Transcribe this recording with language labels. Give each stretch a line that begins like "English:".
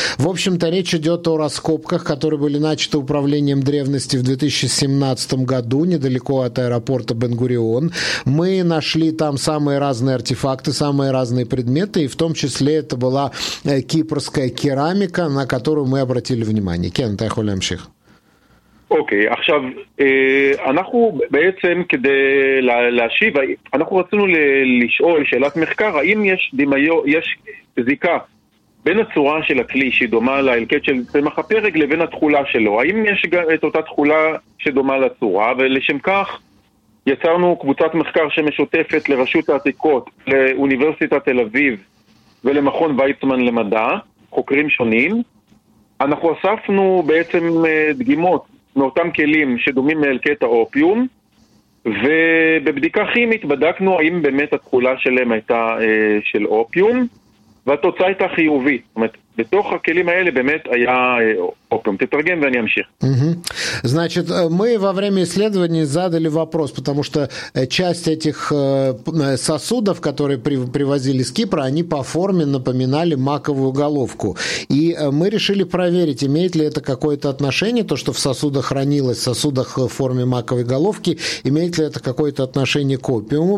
Russian: В общем-то, речь идет о раскопках, которые были начаты управлением древности в 2017 году, недалеко от аэропорта Бен-Гурион. Мы нашли там самые разные артефакты, самые разные предметы, и в том числе это была кипрская керамика, на которую мы обратили внимание. Кен, ты охуляемших.
Hebrew: אוקיי, עכשיו, אנחנו בעצם כדי להשיב, אנחנו רצינו לשאול שאלת מחקר, האם יש דמיון, יש זיקה בין הצורה של הכלי שדומה לאלקט של צמח הפרק לבין התכולה שלו? האם יש את אותה תכולה שדומה לצורה? ולשם כך יצרנו קבוצת מחקר שמשותפת לרשות העתיקות, לאוניברסיטת תל אביב ולמכון ויצמן למדע, חוקרים שונים. אנחנו אספנו בעצם דגימות מאותם כלים שדומים מאלקט האופיום, ובבדיקה כימית בדקנו האם באמת התכולה שלהם הייתה של אופיום, והתוצאה הייתה חיובית. זאת אומרת, בתוך הכלים האלה באמת היה אופיום. תתרגם ואני אמשיך.
Russian: Значит, мы во время исследования задали вопрос, потому что часть этих сосудов, которые привозили с Кипра, они по форме напоминали маковую головку. И мы решили проверить, имеет ли это какое-то отношение, то, что в сосудах хранилось, в сосудах в форме маковой головки, имеет ли это какое-то отношение к опиуму.